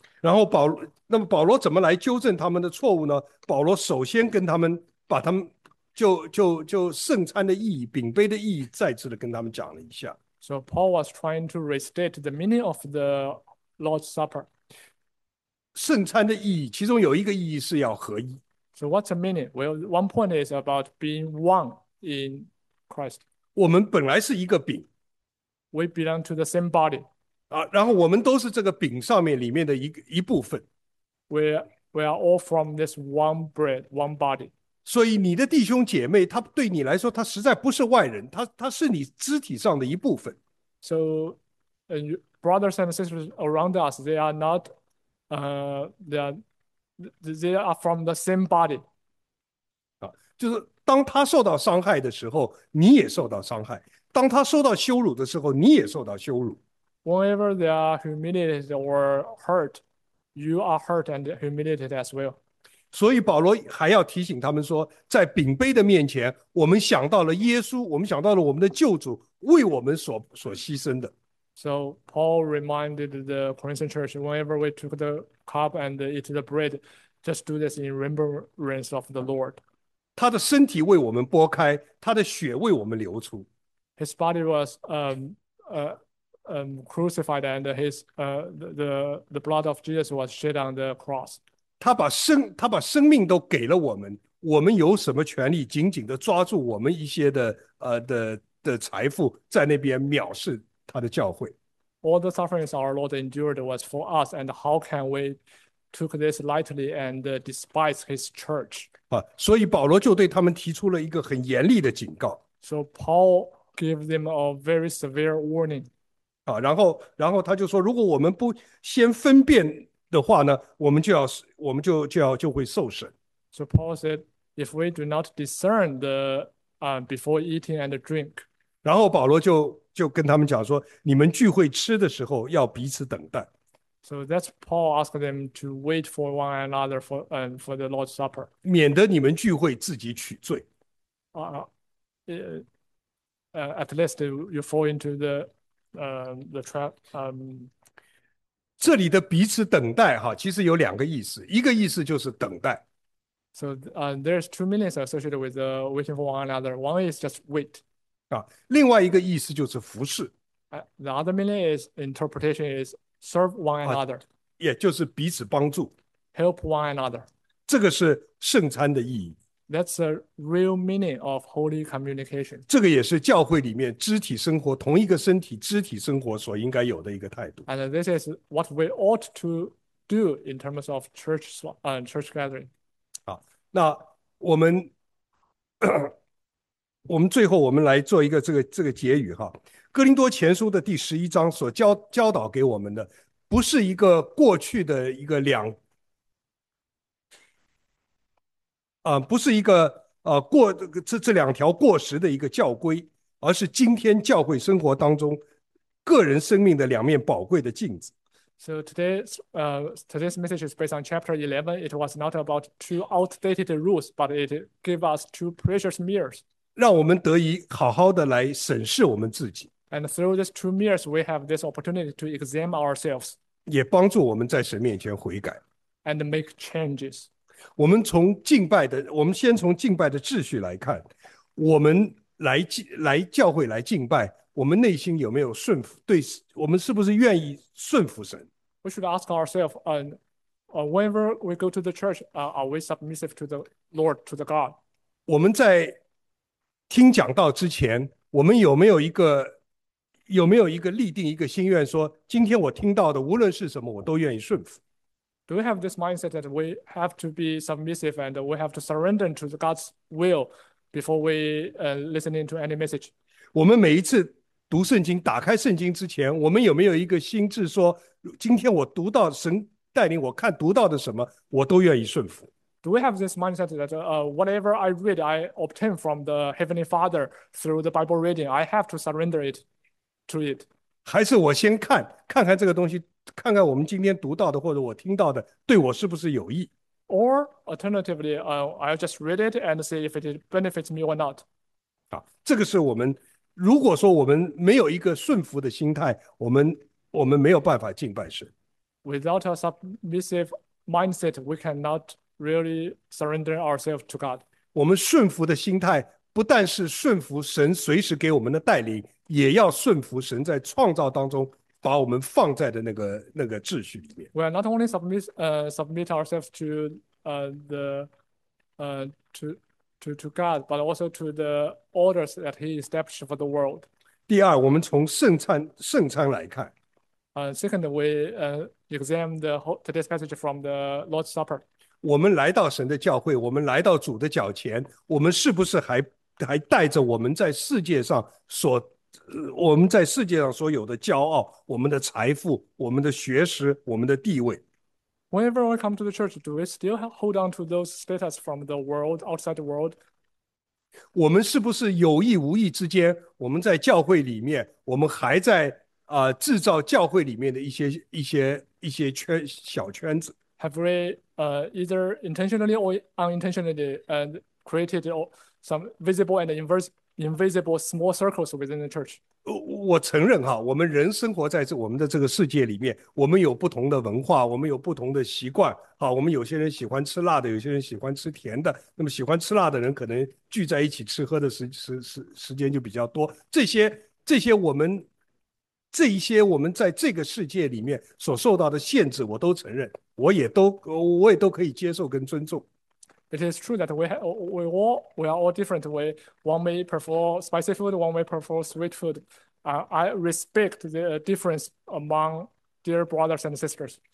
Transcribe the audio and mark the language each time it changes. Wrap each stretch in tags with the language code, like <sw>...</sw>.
<zh>那么保罗怎么来纠正他们的错误呢？保罗首先跟他们把他们就圣餐的意义、饼杯的意义，再次的跟他们讲了一下。</zh> <en>So Paul was trying to restate the meaning of the Lord's Supper.</en> <zh>圣餐的意义，其中有一个意义是要合一。</zh> <en>So what's the meaning? Well, one point is about being one in Christ.</en> <zh>我们本来是一个饼。</zh> <en>We belong to the same body.</en> <zh>然后我们都是这个饼上面里面的一部分。</zh> <en>We are all from this one bread, one body.</en> <zh>所以你的弟兄姐妹，他对你来说，他实在不是外人，他是你肢体上的一部分。</zh> <en>So, brothers and sisters around us, they are not, they are from the same body.</en> <zh>就是当他受到伤害的时候，你也受到伤害；当他受到羞辱的时候，你也受到羞辱。</zh> <en>Whenever they are humiliated or hurt, you are hurt and humiliated as well.</en> <zh>所以保罗还要提醒他们说，在饼杯的面前，我们想到了耶稣，我们想到了我们的救主为我们所牺牲的。</zh> <en>So Paul reminded the Corinthian church, whenever we took the cup and eat the bread, just do this in remembrance of the Lord.</en> <zh>他的身体为我们剥开，他的血为我们流出。</zh> <en>His body was crucified, and the blood of Jesus was shed on the cross.</en> <zh>他把生命都给了我们，我们有什么权利紧紧地抓住我们一些的的财富在那边藐视他的教会。</zh> <en>All the sufferings our Lord endured was for us, and how can we took this lightly and despise his church?</en> <zh>啊，所以保罗就对他们提出了一个很严厉的警告。</zh> <en>So Paul gave them a very severe warning.</en> <zh>啊，然后他就说，如果我们不先分辨的话呢，我们就会受审。</zh> <en>So Paul said, if we do not discern the before eating and drink,</en> <zh>然后保罗就跟他们讲说，你们聚会吃的时候要彼此等待。</zh> <en>So that's Paul asking them to wait for one another for the Lord's Supper.</en> <zh>免得你们聚会自己取罪。</zh> <en>At least you fall into the trap.</en> <zh>这里的彼此等待哈，其实有两个意思，一个意思就是等待。</zh> <en>So there's two meanings associated with waiting for one another. One is just wait.</en> <zh>啊，另外一个意思就是服侍。</zh> <en>The other meaning is interpretation is serve one 啊， another,</en> <zh>也就是彼此帮助。</zh> <en>help one another.</en> <zh>这个是圣餐的意义，</zh> <en>That's a real meaning of holy communication.</en> <zh>这个也是教会里面肢体生活，同一个身体肢体生活所应该有的一个态度。</zh> <en>And this is what we ought to do in terms of church gathering.</en> <zh>好，那我们最后我们来做一个这个结语哈。哥林多前书的第11章所教导给我们的，不是一个过去的一个两。不是一个过这两条过时的一个教规，而是今天教会生活当中个人生命的两面宝贵的镜子。</zh> <en>So today's message is based on chapter 11. It was not about two outdated rules, but it gave us two precious mirrors.</en> <zh>让我们得以好好的来审视我们自己，</zh> <en>And through these two mirrors, we have this opportunity to examine ourselves</en> <zh>也帮助我们在神面前悔改。</zh> <en>and make changes.</en> <zh>我们先从敬拜的秩序来看，我们来教会来敬拜，我们内心有没有顺服？对，我们是不是愿意顺服神？</zh> <en>We should ask ourselves, whenever we go to the church, are we submissive to the Lord, to the God?</en> <zh>我们在听讲道之前，我们有没有一个立定一个心愿说，今天我听到的，无论是什么，我都愿意顺服。</zh> <en>Do we have this mindset that we have to be submissive and we have to surrender to God's will before we listening to any message?</en> <zh>我们每一次读圣经、打开圣经之前，我们有没有一个心智说，今天我读到神带领我看读到的什么，我都愿意顺服。</zh> <en>Do we have this mindset that whatever I read, I obtain from the Heavenly Father through the Bible reading, I have to surrender it to it?</en> <zh>还是我先看看这个东西，看看我们今天读到的或者我听到的，对我是不是有益？</zh> <en>Or alternatively, I'll just read it and see if it benefits me or not.</en> <zh>啊，这个是我们。如果说我们没有一个顺服的心态，我们没有办法敬拜神。</zh> <en>Without a submissive mindset, we cannot really surrender ourselves to God.</en> <zh>我们顺服的心态不但是顺服神随时给我们的带领，也要顺服神在创造当中把我们放在的那个秩序里面。</zh> <en>We are not only submit ourselves to the to God, but also to the orders that He established for the world.</en> <zh>第二，我们从圣餐来看，</zh> <en>Second, we examine today's passage from the Lord's Supper.</en> <zh>我们来到神的教会，我们来到主的脚前，我们是不是还带着我们在世界上所有的骄傲、我们的财富、我们的学识、我们的地位？</zh> <en>Whenever we come to the church, do we still hold on to those status from the world, outside the world?</en> <zh>我们是不是有意无意之间，我们在教会里面，我们还在制造教会里面的一些圈小圈子？</zh> <en>Have we either intentionally or unintentionally created some visible and invisible small circles within the church?</en> <zh>我承认哈，我们人生活在我们的这个世界里面，我们有不同的文化，我们有不同的习惯。哈，我们有些人喜欢吃辣的，有些人喜欢吃甜的。那么喜欢吃辣的人可能聚在一起吃喝的时间就比较多。这一些我们在这个世界里面所受到的限制，我都承认，我也都可以接受跟尊重。</zh> <en>It is true that we are all different. One may prefer spicy food, one may prefer sweet food. I respect the difference among dear brothers and sisters.</en>